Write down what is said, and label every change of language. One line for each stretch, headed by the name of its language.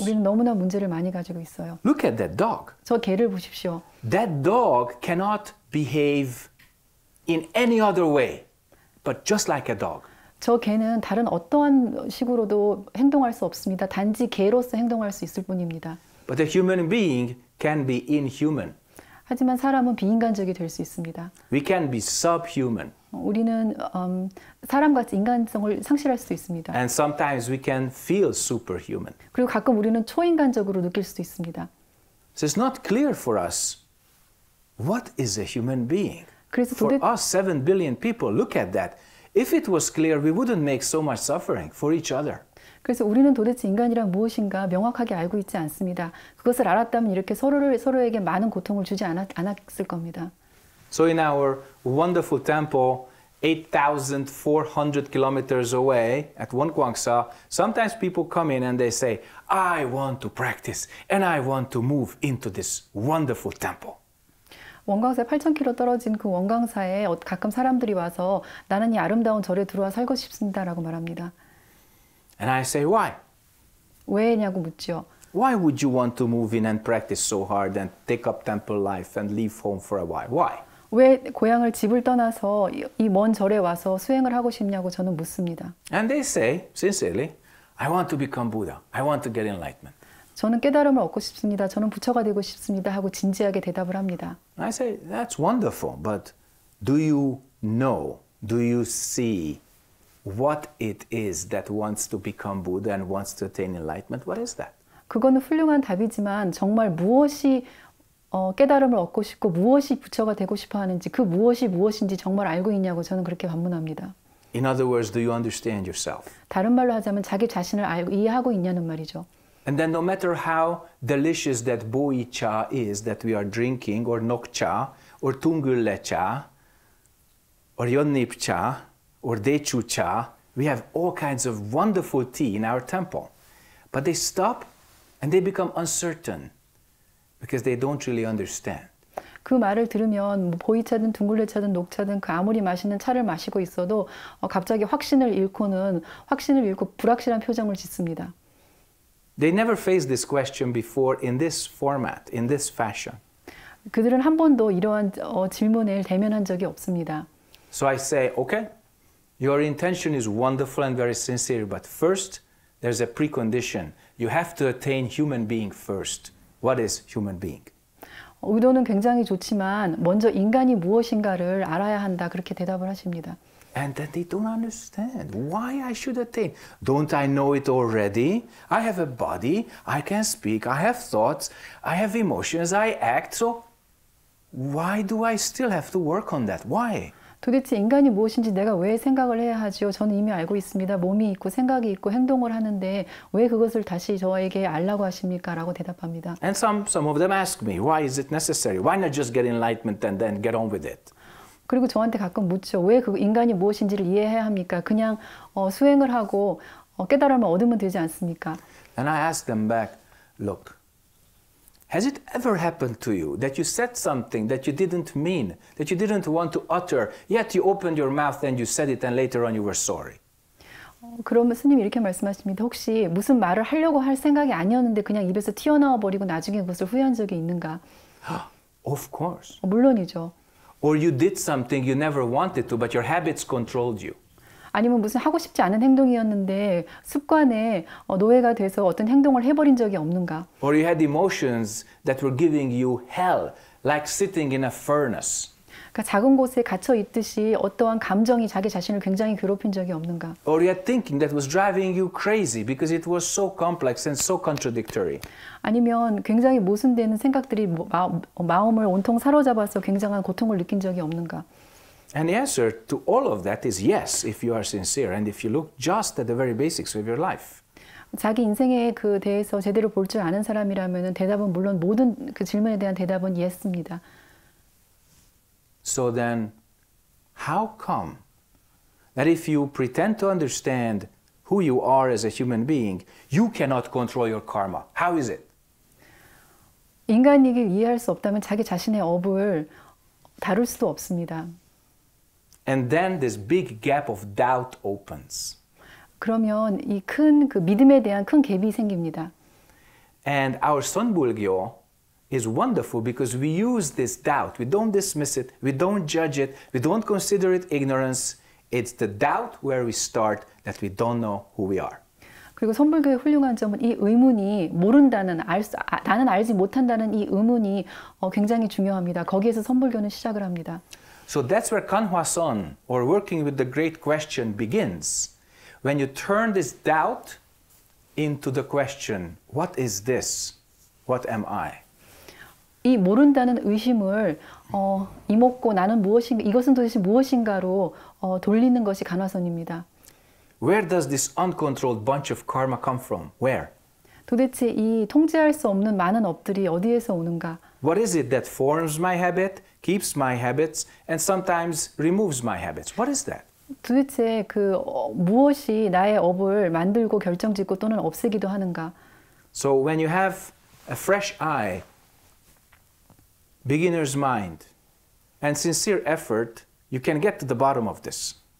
Korean: 우리는 너무나 문제를 많이 가지고 있어요.
English: Look at that dog.
Korean: 저 개를 보십시오.
English: That dog cannot behave in any other way but just like a dog.
Korean: 저 개는 다른 어떠한 식으로도 행동할 수 없습니다. 단지 개로서 행동할 수 있을 뿐입니다.
English: But a human being can be inhuman.
Korean: 하지만 사람은 비인간적이 될수 있습니다.
English: We can be subhuman.
Korean: 우리는 사람같이 인간성을 상실할 수 있습니다.
English: And sometimes we can feel superhuman.
Korean: 그리고 가끔 우리는 초인간적으로 느낄 수도 있습니다.
English: So it's not clear for us what is a human being.
Korean: 그래서
English: For us, 7 billion people, look at that. If it was clear, we wouldn't make so much suffering for each other.
Korean: 우리는 도대체 인간이란 무엇인가 명확하게 알고 있지 않습니다. 그것을 알았다면 이렇게 서로에게 많은 고통을 주지 않았을 겁니다.
English: So in our wonderful temple, 8,400 kilometers away at Wonkwangsa, sometimes people come in and they say, "I want to practice and I want to move into this wonderful temple."
Korean: 원광사에 8,000km 떨어진 그 원광사에 가끔 사람들이 와서 나는 이 아름다운 절에 들어와 살고 싶습니다라고 말합니다.
English: And I say, why?
Korean: 왜냐고 묻죠.
English: Why would you want to move in and practice so hard and take up temple life and leave home for a while? Why?
Korean: 왜 고향을 집을 떠나서 이먼 절에 와서 수행을 하고 싶냐고 저는 묻습니다.
English: And they say, sincerely, I want to become Buddha. I want to get enlightenment.
Korean: 저는 깨달음을 얻고 싶습니다. 저는 부처가 되고 싶습니다. 하고 진지하게 대답을 합니다.
English: I say, that's wonderful, but do you know, do you see what it is that wants to become Buddha and wants to attain enlightenment? What is that?
Korean: 그거는 훌륭한 답이지만 정말 무엇이 깨달음을 얻고 싶고 무엇이 부처가 되고 싶어 하는지 그 무엇이 무엇인지 정말 알고 있냐고 저는 그렇게 반문합니다.
English: In other words, do you understand yourself?
Korean: 다른 말로 하자면 자기 자신을 이해하고 있냐는 말이죠.
English: And then, no matter how delicious that boicha is that we are drinking, or nokcha, or tungulecha, or yonnipcha, or dechucha, we have all kinds of wonderful tea in our temple. But they stop and they become uncertain because they don't really understand.
Korean: 그 말을 들으면 보이차든 둥글레차든 녹차든 그 아무리 맛있는 차를 마시고 있어도 갑자기 확신을 잃고 불확실한 표정을 짓습니다.
English: They never faced this question before in this format, in this fashion.
Korean: 그들은 한 번도 이러한 질문을 대면한 적이 없습니다.
English: So I say, okay, your intention is wonderful and very sincere, but first, there's a precondition. You have to attain human being first. What is human being?
Korean: 의도는 굉장히 좋지만 먼저 인간이 무엇인가를 알아야 한다 그렇게 대답을 하십니다.
English: And then they don't understand why I should attain. Don't I know it already? I have a body, I can speak, I have thoughts, I have emotions, I act. So why do I still have to work on that? Why?
Korean: 도대체 인간이 무엇인지 내가 왜 생각을 해야 하지요? 저는 이미 알고 있습니다. 몸이 있고 생각이 있고 행동을 하는데 왜 그것을 다시 저에게 알라고 하십니까? 라고 대답합니다.
English: And some of them ask me, why is it necessary? Why not just get enlightenment and then get on with it?
Korean: 그리고 저한테 가끔 묻죠. 왜그 인간이 무엇인지를 이해해야 합니까? 그냥 수행을 하고 깨달음을 얻으면 되지 않습니까?
English: And I asked them back, look, has it ever happened to you that you said something that you didn't mean, that you didn't want to utter, yet you opened your mouth and you said it and later on you were sorry?
Korean: 그러면 스님이 이렇게 말씀하십니다. 혹시 무슨 말을 하려고 할 생각이 아니었는데 그냥 입에서 튀어나와 버리고 나중에 그것을 후회한 적이 있는가?
English: Of course.
Korean: 물론이죠.
English: Or you did something you never wanted to, but your habits controlled you.
Korean: 아니면 무슨 하고 싶지 않은 행동이었는데 습관에 노예가 돼서 어떤 행동을 해버린 적이 없는가?
English: Or you had emotions that were giving you hell, like sitting in a furnace.
Korean: 그러니까 작은 곳에 갇혀 있듯이 어떠한 감정이 자기 자신을 굉장히 괴롭힌 적이 없는가?
English: Or you had thinking that was driving you crazy because it was so complex and so contradictory.
Korean: 아니면 굉장히 모순되는 생각들이 마음을 온통 사로잡아서 굉장한 고통을 느낀 적이 없는가?
English: And the answer to all of that is yes, if you are sincere and if you look just at the very basics of your life.
Korean: 자기 인생에 그 대해서 제대로 볼줄 아는 사람이라면 대답은 물론 모든 그 질문에 대한 대답은 예스입니다.
English: So then, how come that if you pretend to understand who you are as a human being, you cannot control your karma? How is it?
Korean: 인간이길 이해할 수 없다면 자기 자신의 업을 다룰 수도 없습니다.
English: And then this big gap of doubt opens.
Korean: 그러면 이큰그 믿음에 대한 큰 갭이 생깁니다.
English: And our Sonbulgyo is wonderful because we use this doubt. We don't dismiss it. We don't judge it. We don't consider it ignorance. It's the doubt where we start that we don't know who we are.
Korean: 그리고 선불교의 훌륭한 점은 이 의문이 모른다는, 나는 알지 못한다는 이 의문이 굉장히 중요합니다. 거기에서 선불교는 시작을 합니다.
English: So that's where Kanhwason, or working with the great question, begins. When you turn this doubt into the question, what is this? What am I?
Korean: 이 모른다는 의심을 이목고 나는 무엇인가, 이것은 도대체 무엇인가로 돌리는 것이 간화선입니다.
English: Where does this uncontrolled bunch of karma come from? Where?
Korean: 도대체 이 통제할 수 없는 많은 업들이 어디에서 오는가?
English: What is it that forms my habit, keeps my habits, and sometimes removes my habits? What is that?
Korean: 도대체 그 무엇이 나의 업을 만들고 결정짓고 또는 없애기도 하는가?
English: So when you have a fresh eye, beginner's mind, and sincere effort, you can get to the bottom of this.